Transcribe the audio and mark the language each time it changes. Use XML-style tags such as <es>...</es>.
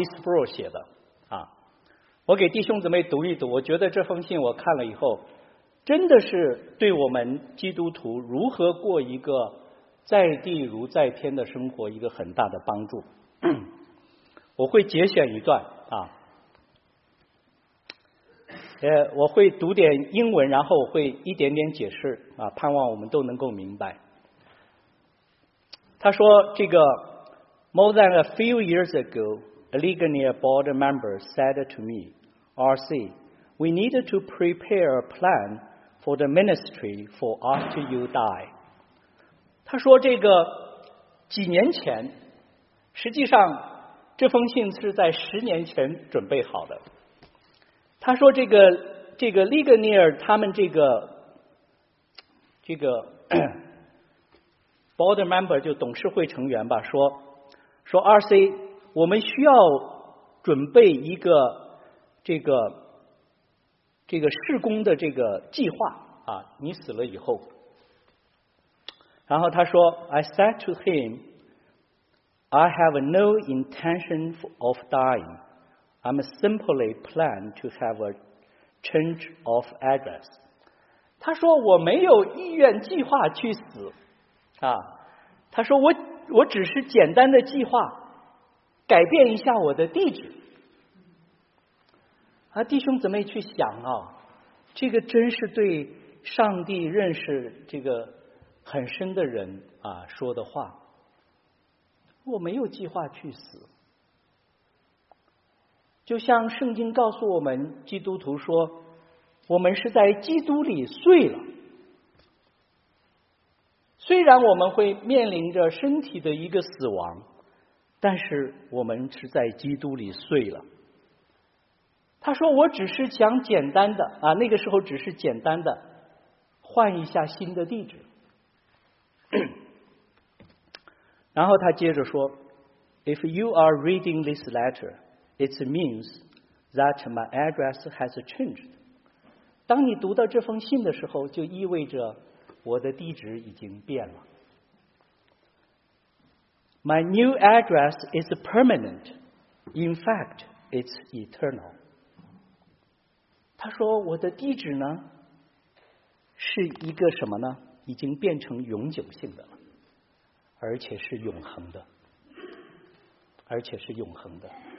<zh>Sproul 写的啊，我给弟兄姊妹读一读，我觉得这封信我看了以后真的是对我们基督徒如何过一个在地如在天的生活一个很大的帮助。我会节选一段啊，我会读点英文，然后我会一点点解释啊，盼望我们都能够明白。他说这个</zh> <en>More than a few years ago, a Ligonier board member said to me, RC, we needed to prepare a plan for the ministry for after you die.</en> <zh>他说这个几年前，实际上这封信是在十年前准备好的。他说这个利格尼尔他们这个 board member 就董事会成员吧，说 RC 我们需要准备一个这个事工的这个计划啊，你死了以后。然后他说</zh> <en>I said to him I have no intention of dying. I'm simply plan to have a change of address.</en> <zh>他说我没有意愿计划去死啊。他说我只是简单的计划改变一下我的地址。啊，弟兄姊妹去想啊，这个真是对上帝认识这个很深的人啊说的话。我没有计划去死。就像圣经告诉我们基督徒说我们是在基督里睡了，虽然我们会面临着身体的一个死亡，但是我们是在基督里碎了。他说我只是想简单的啊，那个时候只是简单的换一下新的地址。然后他接着说</zh> <en>If you are reading this letter, it means that my address has changed.</en> <zh>当你读到这封信的时候，就意味着我的地址已经变了。</zh> <en>My new address is permanent. In fact, it's eternal.</en> <zh>他说我的地址呢是一个什么呢，已经变成永久性的了，而且是永恒的，而且是永恒的。</zh>